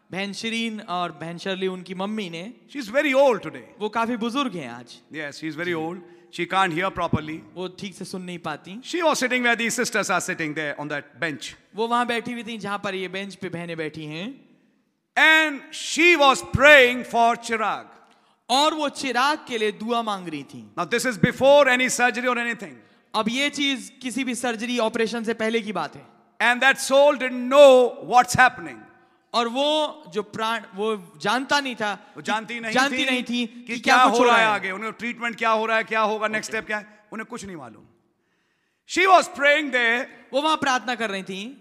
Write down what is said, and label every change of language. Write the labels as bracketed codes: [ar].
[hi] बहन शरीन और बहन शर्ली उनकी मम्मी ने [en] she is very old today [hi] वो काफी बुजुर्ग हैं आज [en] yes she is very old she can't hear properly [hi] वो ठीक से सुन नहीं पाती [en] she was sitting where the sisters are sitting there on that bench [hi] वो वहां बैठी हुई थी जहां पर ये बेंच पे बहने बैठी हैं [en] And she was praying for Chirag. [hi] और वो चिराग के लिए दुआ मांग रही थी. [en] Now this is before any surgery or anything. [hi] अब ये चीज किसी भी सर्जरी ऑपरेशन से पहले की बात है. [en] And that soul didn't know what's happening. [hi] और वो जो प्राण वो जानता नहीं था. वो जानती नहीं जानती थी, नहीं थी कि क्या हो रहा है आगे. उन्हें ट्रीटमेंट क्या हो रहा है क्या होगा [en] next step [hi] क्या है उन्हें कुछ नहीं मालूम. [en] She was praying there. [hi] वो वहाँ प्रार्थना कर रही थी.